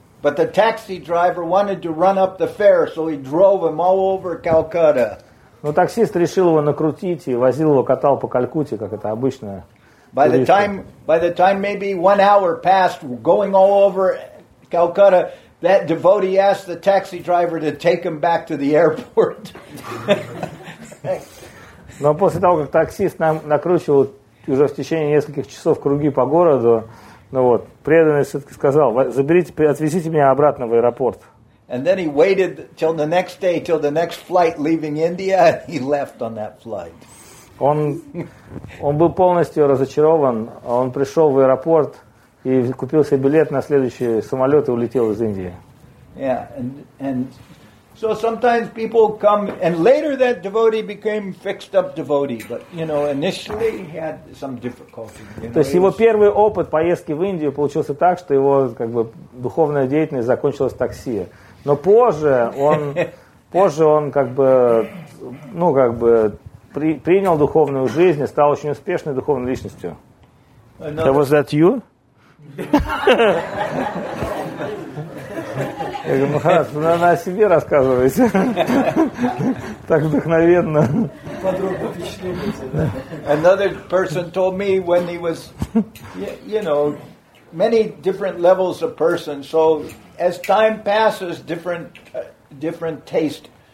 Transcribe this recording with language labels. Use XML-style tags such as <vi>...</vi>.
<en>But the taxi driver wanted to run up the fare, so he drove him all over Calcutta.</en> <ru>Но таксист решил его накрутить и возил его, катал по Калькутте, как это обычно.</ru> <en>By the time maybe 1 hour passed going all over Calcutta, that devotee asked the taxi driver to take him back to the airport.</en> <ru>Но после того, как таксист нам накручивал уже в течение нескольких часов круги по городу, ну вот, преданный все-таки сказал: "Заберите, отвезите меня обратно в аэропорт."</ru> <en>And then he waited till the next day, till the next flight leaving India, and he left on that flight.</en> <ru>Он был полностью разочарован. Он пришел в аэропорт и купил себе билет на следующий самолет и улетел из Индии.</ru> <en>Yeah, and So sometimes people come, and later that devotee became fixed up devotee, but you know, initially he had some difficulty.</en> <ru>То есть его первый опыт поездки в Индию получился так, что его как бы духовная деятельность закончилась такси. Но позже он как бы, ну как бы принял духовную жизнь и стал очень успешной духовной личностью.</ru> <en>That was that you?</en> <ru>Я говорю, Махарадж, вы, наверное, о себе рассказываете. Так вдохновенно. Подробно впечатляете.</ru> <en>Another person told me when he was, you know, many different levels of person. So as time passes, different taste.</en>